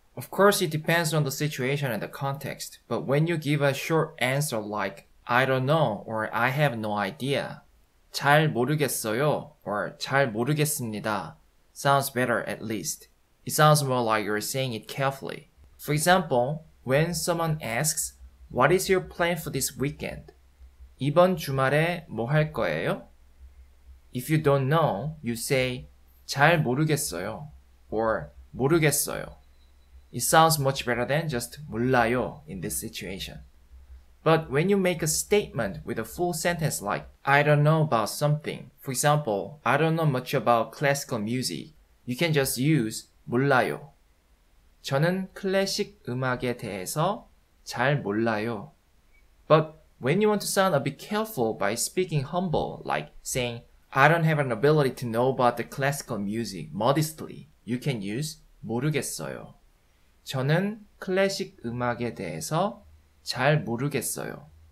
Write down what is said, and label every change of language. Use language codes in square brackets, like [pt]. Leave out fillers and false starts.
[en] Of course, it depends on the situation and the context, but when you give a short answer like, I don't know, or I have no idea, [ko] 잘 모르겠어요, [en] or [ko] 잘 모르겠습니다, [en] sounds better at least. It sounds more like you're saying it carefully. For example, when someone asks, what is your plan for this weekend? [ko] 이번 주말에 뭐 할 거예요? [en] If you don't know, you say [ko] 잘 모르겠어요 [en] or 모르겠어요. It sounds much better than just 몰라요 in this situation. But when you make a statement with a full sentence like I don't know about something, for example, I don't know much about classical music, you can just use 몰라요. [ko] 저는 클래식 음악에 대해서 잘 몰라요. [en] But when you want to sound a bit careful by speaking humble, like saying I don't have an ability to know about the classical music modestly, you can use 모르겠어요. [ko] 저는 클래식 음악에 대해서 잘 모르겠어요.